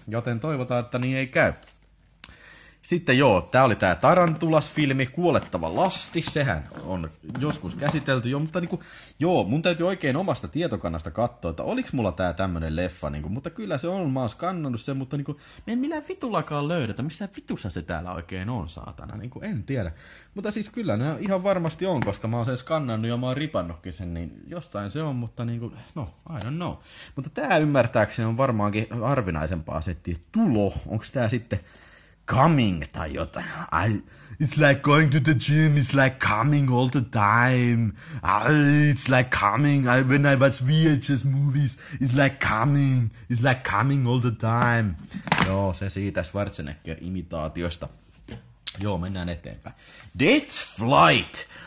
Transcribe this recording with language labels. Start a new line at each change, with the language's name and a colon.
Finnish: Joten toivotaan, että niin ei käy. Sitten joo, tää oli tää Tarantulas-filmi, Kuolettava lasti, sehän on joskus käsitelty jo, mutta niinku, joo, mun täytyy oikein omasta tietokannasta katsoa, että oliks mulla tää tämmönen leffa, niinku, mutta kyllä se on, mä oon skannannut sen, mutta niinku, en millään vitullakaan löydetä, missä vitussa se täällä oikein on, saatana, niinku, en tiedä. Mutta siis kyllä, nää ihan varmasti on, koska mä oon sen skannannut ja mä oon ripannutkin sen, niin jossain se on, mutta niinku, no,
English: I don't know.
Finnish: Mutta tää ymmärtääkseni on varmaankin harvinaisempaa settiä, tulo, onks tää sitten... Coming tai jotain.
English: It's like going to the gym, it's like coming all the time. It's like coming, when I watch VHS movies, it's like coming all the time.
Finnish: Joo, se siitä Schwarzenegger-imitaatiosta. Joo, mennään eteenpäin.
English: Dead Flight.